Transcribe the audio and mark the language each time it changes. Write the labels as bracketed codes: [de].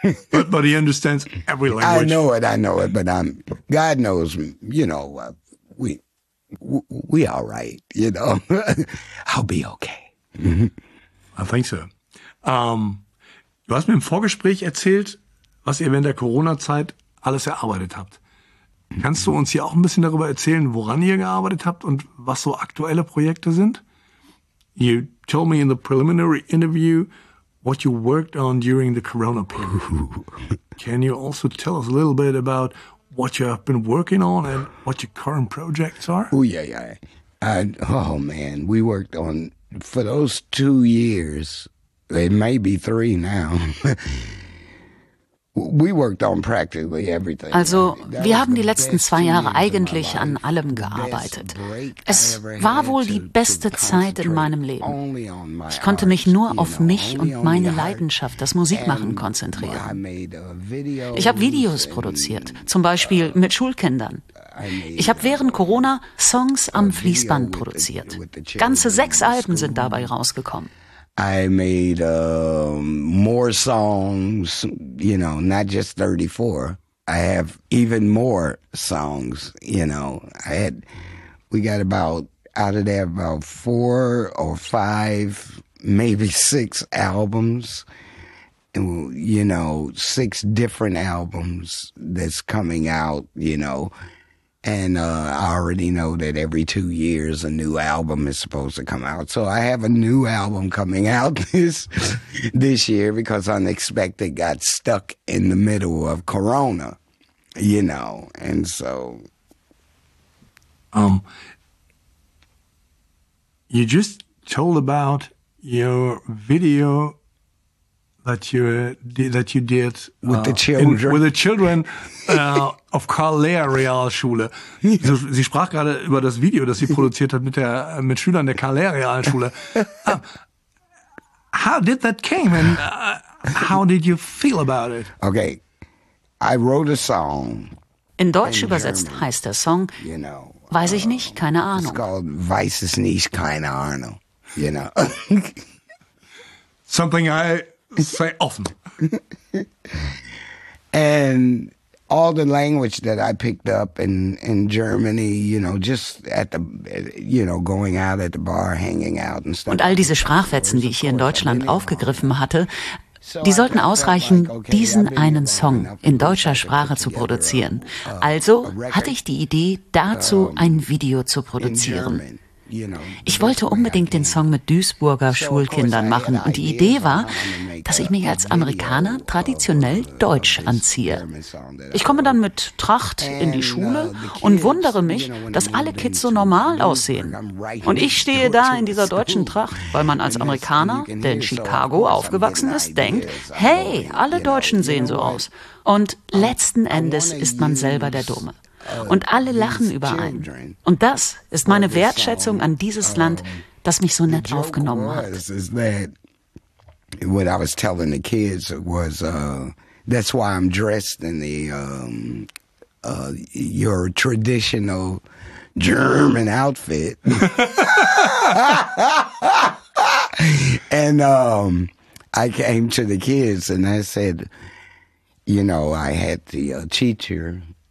[en] But he understands every language. I know it, but God knows, you know, we all right, you know. I'll be okay. I think so. [de] Du hast mir im Vorgespräch erzählt, was ihr während der Corona-Zeit alles erarbeitet habt. Kannst du uns hier auch ein bisschen darüber erzählen, woran ihr gearbeitet habt und was so aktuelle Projekte sind? [en] You told me in the preliminary interview what you worked on during the Corona period. Can you also tell us a little bit about what you have been working on and what your current projects are? Oh yeah, yeah. And oh man, we worked on for those 2 years. It may be 3 now. We worked on practically everything. [de] Also, wir haben die letzten 2 Jahre eigentlich an allem gearbeitet. Es war wohl die beste Zeit in meinem Leben. Ich konnte mich nur auf mich und meine Leidenschaft, das Musikmachen, konzentrieren. Ich habe Videos produziert, zum Beispiel mit Schulkindern. Ich habe während Corona Songs am Fließband produziert. Ganze 6 Alben sind dabei rausgekommen. [en] I made more songs, you know, not just 34. I have even more songs, you know. We got about 4 or 5, maybe 6 albums, and, you know, 6 different albums that's coming out, you know. And I already know that every 2 years a new album is supposed to come out. So I have a new album coming out this year because Unexpected got stuck in the middle of Corona, you know. And so. You just told about your video that you did with the children. [de] Auf Karl-Lehr-Realschule. Also, sie sprach gerade über das Video, das sie produziert hat mit Schülern der Karl-Lehr-Realschule. [en] How did that came and how did you feel about it? Okay, I wrote a song. [de] In Deutsch übersetzt heißt der Song, you know, weiß ich nicht, keine Ahnung. [en] It's called Weiß es nicht, keine Ahnung. You know. Something I say often. And all the language that I picked up in Germany, you know, just at the, you know, going out at the bar, hanging out and stuff. [de] Und all diese Sprachfetzen, die ich hier in Deutschland aufgegriffen hatte, die sollten ausreichen, diesen einen Song in deutscher Sprache zu produzieren. Also hatte ich die Idee, dazu ein Video zu produzieren. Ich wollte unbedingt den Song mit Duisburger Schulkindern machen. Und die Idee war, dass ich mich als Amerikaner traditionell deutsch anziehe. Ich komme dann mit Tracht in die Schule und wundere mich, dass alle Kids so normal aussehen. Und ich stehe da in dieser deutschen Tracht, weil man als Amerikaner, der in Chicago aufgewachsen ist, denkt, hey, alle Deutschen sehen so aus. Und letzten Endes ist man selber der Dumme. Und alle lachen über einen. Und das ist meine Wertschätzung an dieses Land, das mich so nett aufgenommen hat. [en] What I was telling the kids was, that's why I'm dressed in the your traditional German outfit. And I came to the kids and I said, you know, I had the teacher.